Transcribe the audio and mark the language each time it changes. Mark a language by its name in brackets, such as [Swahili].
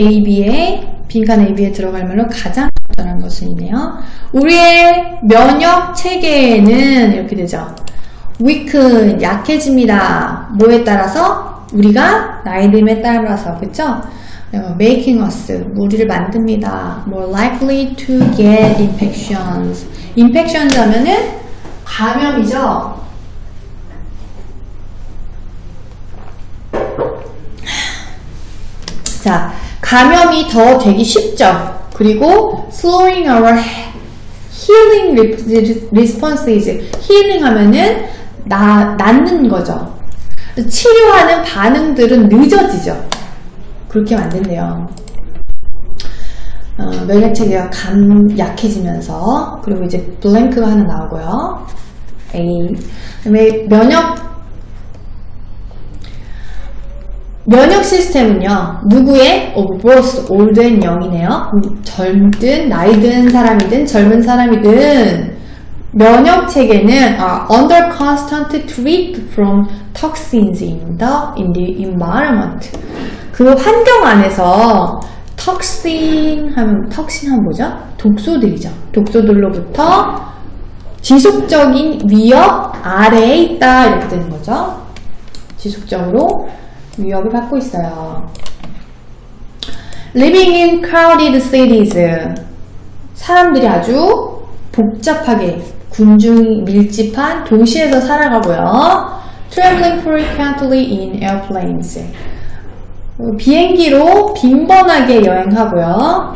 [Korean] AB에, 빈칸 AB에 들어갈 말로 가장 적절한 것은이네요. 우리의 면역 체계는 이렇게 되죠. weak, 약해집니다. 뭐에 따라서? 우리가 나이 듦에 따라서, 그쵸? [English] making us, [Korean] 우리를 만듭니다. [English] more likely to get infections. [Korean] infections 하면은 감염이죠? 자, 감염이 더 되기 쉽죠? 그리고 [English] slowing our healing responses. [Korean] healing 하면은 낫는 거죠. 치료하는 반응들은 늦어지죠. 그렇게 만든대요. 면역체계가 약해지면서, 그리고 이제 블랭크가 하나 나오고요. A. 그다음에 면역 시스템은요, 누구의? [English] Of both old and young이네요. [Korean] 젊든, 나이든 사람이든, 젊은 사람이든, 면역 체계는 [English] under constant threat from toxins in the environment. [Korean] 그 환경 안에서 toxin 하면 뭐죠? 독소들이죠. 독소들로부터 지속적인 위협 아래에 있다 이렇게 되는 거죠. 지속적으로 위협을 받고 있어요. [English] Living in crowded cities. [Korean] 사람들이 아주 복잡하게 군중이 밀집한 도시에서 살아가고요. [English] Traveling frequently in airplanes. [Korean] 비행기로 빈번하게 여행하고요.